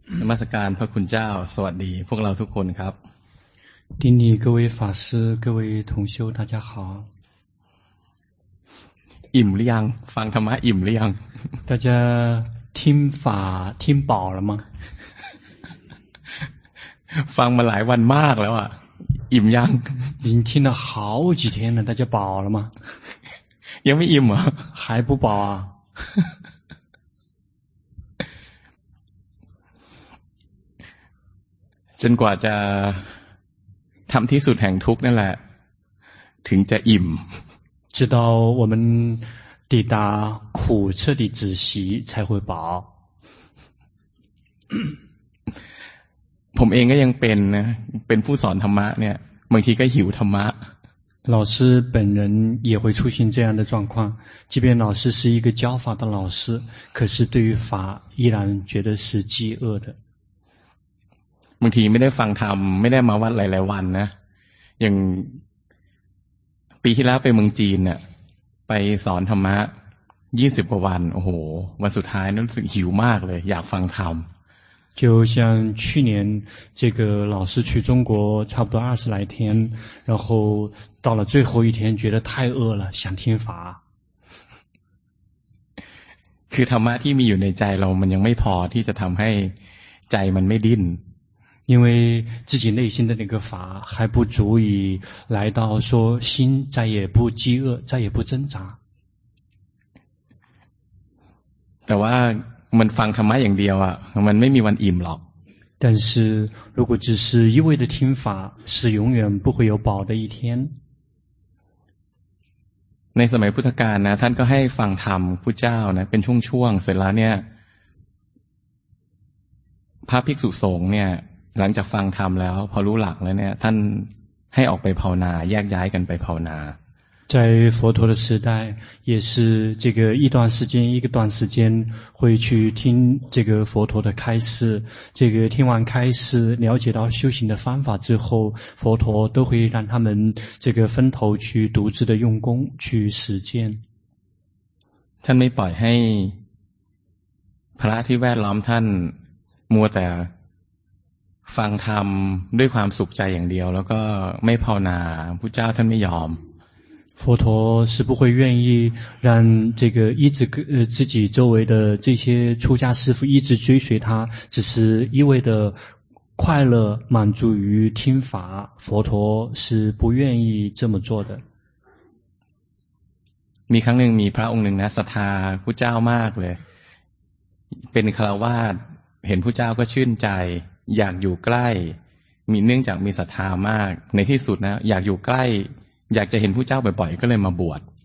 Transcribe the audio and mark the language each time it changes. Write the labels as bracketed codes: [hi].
[th] มัสการพระคุณเจ้าสวัสดีพวกเราทุกคนครับ ทีนี้ [zh] 各位法师各位同修大家好 [th] อิ่มหรือยังฟังธรรมะอิ่มหรือยัง [zh] 大家听法听饱了吗 [th] ฟังมาหลายวันมากแล้วอ่ะอิ่มยัง [zh] 已经听了好几天了大家饱了吗 [th] ยังไม่อิ่มเหร [zh] อ还不饱啊 [th] จนกว่าจะทำที่สุดแห่งทุกข์นั่นแหละถึงจะอิ่ม [zh] 直到我们抵达苦彻底止息才会饱 [th] ผมเองก็ยังเป็นนะเป็นผู้สอนธรรมะเนี่ยบางทีก็หิวธรรมะ [zh] 老师本人也会出现这样的状况即便老师是一个教法的老师可是对于法依然觉得是饥饿的 [th] บางทีไม่ได้ฟังธรรมไม่ได้มาวัดหลายๆวันนะอย่างปีที่แล้วไปเมืองจีนเนี่ยไปสอนธรรมะ20กว่าวันโอ้โหวันสุดท้ายนั้นรู้สึกหิวมากเลยอยากฟังธรรม [zh] 就像去年这个老师去中国差不多二十来天然后到了最后一天觉得太饿了想听法 [th] คือธรรมะที่มีอยู่ในใจเรามันยังไม่พอที่จะทำให้ใจมันไม่ดิ้น [zh] 因为自己内心的那个法还不足以来到说心再也不饥饿再也不挣扎 [th] แต่ว่ามันฟังธรรมะอย่างเดียวอ่ะมันไม่มีวันอิ่มหรอก [zh] 但是如果只是一味的听法是永远不会有饱的一天 [th] ในสมัยพุทธกาลนะท่านก็ให้ฟังธรรมพุทธเจ้านะเป็นช่วงๆเสร็จแล้วเนี่ยพระภิกษุสงฆ์เนี่ยหลังจากฟังธรรมแล้วพอรู้หลักแล้วเนี่ยท่านให้ออกไปภาวนาแยกย้ายกันไปภาวนา [zh] 在佛陀的时代也是这个一段时间一个段时间会去听这个佛陀的开示这个听完开示了解到修行的方法之后佛陀都会让他们这个分头去独自的用功去实践 [th] ท่านไม่ปล่อยให้พระที่แวดล้อมท่านมัวแต่ฟังธรรมด้วยความสุขใจอย่างเดียวแล้วก็ไม่ภาวนาพุทธเจ้าท่านไม่ยอม [zh] 佛陀是不会愿意让这个一直自己周围的这些出家师父一直追随他只是一味的快乐满足于听法佛陀是不愿意这么做的 [th] มีครั้งหนึ่งมีพระองค์หนึ่งนะศรัทธาพุทธเจ้ามากเลยเป็นคฤหัสถ์เห็นพุทธเจ้าก็ชื่นใจอยากอยู่ใกล้มีเนื่องจากมีศรัทธามากในที่สุดนะอยากอยู่ใกล้อยากจะเห็นผู้เจ้าบ่อยๆก็เลยมาบวช